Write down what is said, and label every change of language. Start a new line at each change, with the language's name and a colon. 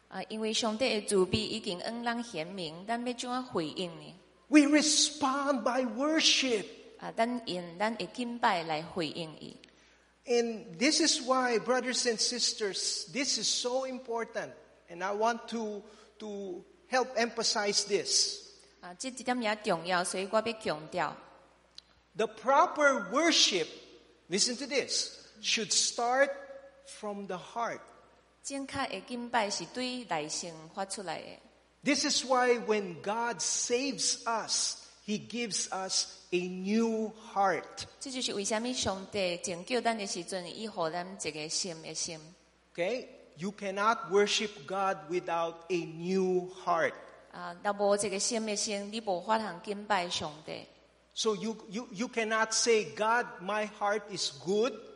Min Nan Chinese: 因为上帝的慈悲已经恩咱显明，咱要怎样回应呢？
English: We respond by worship.
Min Nan Chinese: 咱用咱的敬拜来回应伊。
English: And this is why, brothers and sisters, this is so important. And I want to help emphasize this.
Min Nan Chinese: 这点也重要，所以我要强调。
English: The proper worship, listen to this, should start from the heart.
Min Nan Chinese: 正确的敬拜是对内心发出来的。
English: This is why when God saves us, He gives us a new heart.
Min Nan Chinese: 这就是为什么上帝拯救咱的时阵，伊给咱一个新的心。
English: Okay? You cannot worship God without a new heart.
Min Nan Chinese: 若无这个新的心，你无法通敬拜上帝。
English: So you cannot say, God, my heart is good.